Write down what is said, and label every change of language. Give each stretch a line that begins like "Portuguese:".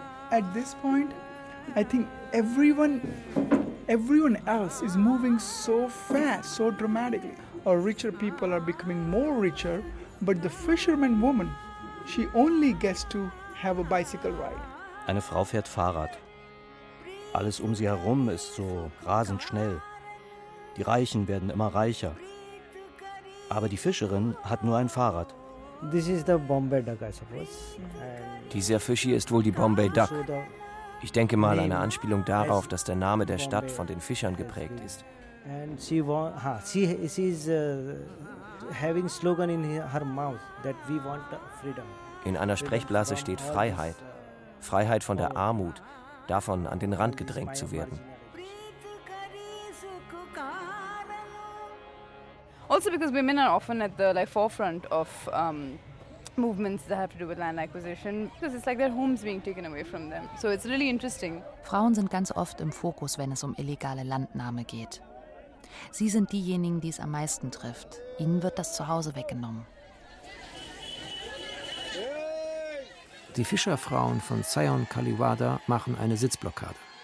English: At this point, I think everyone else is moving so fast, so dramatically. Our richer people are becoming more richer, but the fisherman woman, she only gets to have a bicycle ride.
German: Eine Frau fährt Fahrrad. Alles um sie herum ist so rasend schnell. Die Reichen werden immer reicher. Aber die Fischerin hat nur ein Fahrrad.
English: This is the Bombay Duck, I suppose.
German: Dieser Fischi ist wohl die Bombay Duck. Ich denke mal, eine Anspielung darauf, dass der Name der Stadt von den Fischern geprägt ist.
English: And she is having slogan in her mouth that we want freedom.
German: In einer Sprechblase steht Freiheit. Freiheit von der Armut, davon an den Rand gedrängt zu werden.
English: Also because women are often at the like forefront of movements that have to do with land acquisition, because it's like their homes being taken away from them. So it's really interesting.
German: Frauen sind ganz oft im Fokus, wenn es um illegale Landnahme geht. Sie sind diejenigen, die es am meisten trifft. Ihnen wird das Zuhause weggenommen. Die Fischerfrauen von Sion Kaliwada machen eine Sitzblockade.